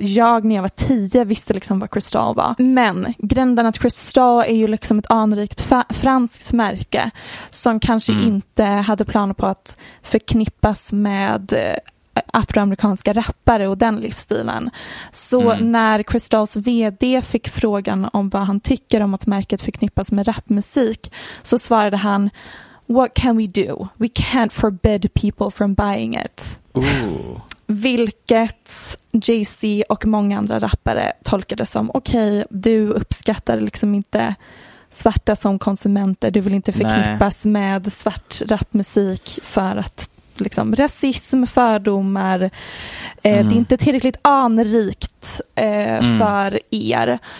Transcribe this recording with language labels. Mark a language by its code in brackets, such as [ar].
[sv] Jag när jag var 10 visste liksom vad Crystal var. Men grunden att Crystal är ju liksom ett anrikt franskt märke som kanske inte hade planer på att förknippas med afroamerikanska rappare och den livsstilen. Så när Crystals vd fick frågan om vad han tycker om att märket förknippas med rapmusik, så svarade han: [en] "What can we do? We can't forbid people from buying it." Ooh. [sv] Vilket Jay-Z och många andra rappare tolkade som: okej, du uppskattar liksom inte svarta som konsumenter, du vill inte förknippas med svart rapmusik för att liksom rasism, fördomar, det är inte tillräckligt anrikt för er.